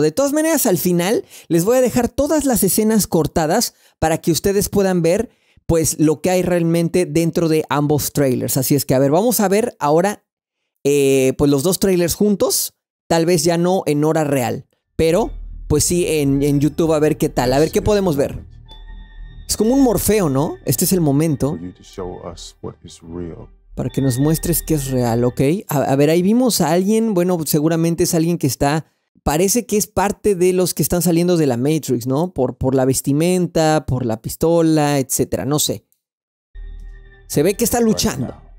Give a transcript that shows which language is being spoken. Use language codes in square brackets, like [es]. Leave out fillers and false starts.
[es] De todas maneras, al final les voy a dejar todas las escenas cortadas para que ustedes puedan ver pues lo que hay realmente dentro de ambos trailers. Así es que, a ver, vamos a ver ahora pues los dos trailers juntos. Tal vez ya no en hora real, pero pues sí en YouTube, a ver qué tal, a ver qué podemos ver. Es como un Morfeo, ¿no? Este es el momento. [en] For you to show us what is real. [es] Para que nos muestres que es real, ¿ok? A ver, ahí vimos a alguien, bueno, seguramente es alguien que está... Parece que es parte de los que están saliendo de la Matrix, ¿no? Por la vestimenta, por la pistola, etcétera, no sé. Se ve que está luchando.